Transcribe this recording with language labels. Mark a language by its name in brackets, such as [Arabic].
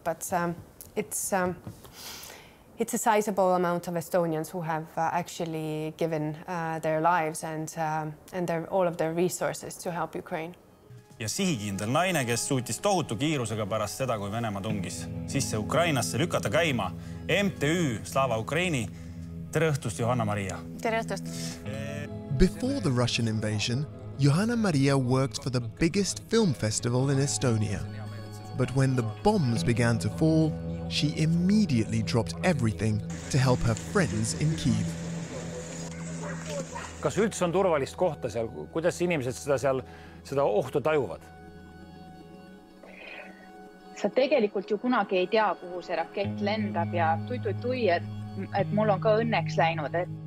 [English] But it's a sizable amount of Estonians who have actually given their lives and all of their resources to help Ukraine. [Estonian] Ja sihikindel naine, kes suutis tohutu kiirusega pärast seda, kui Venema tungis, sisse Ukrainasse lükata käima. MTÜ Slava Ukraini. Tere õhtust, Johanna Maria. Tere õhtust. [English] Before the Russian invasion, Johanna Maria worked for the biggest film festival in Estonia. But when the bombs began to fall, she immediately dropped everything to help her friends in Kyiv. [Estonian] Kas üldse on turvalist kohta seal? Kuidas inimesed seda ohtu tajuvad? Sa tegelikult ju kunagi ei tea, kuhu see rakett lendab ja tui, et mul on ka õnneks läinud.